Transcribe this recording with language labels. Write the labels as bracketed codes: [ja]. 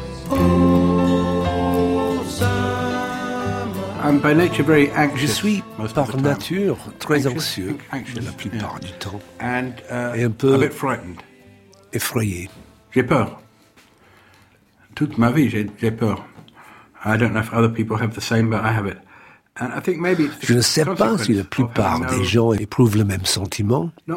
[fr] Je suis par nature très anxieux la plupart du temps et un peu effrayé. J'ai peur. Toute ma vie, j'ai peur. [en] I don't know if other people have the same, but I have it. And I think maybe [fr] je ne sais pas si la plupart des gens éprouvent le même sentiment.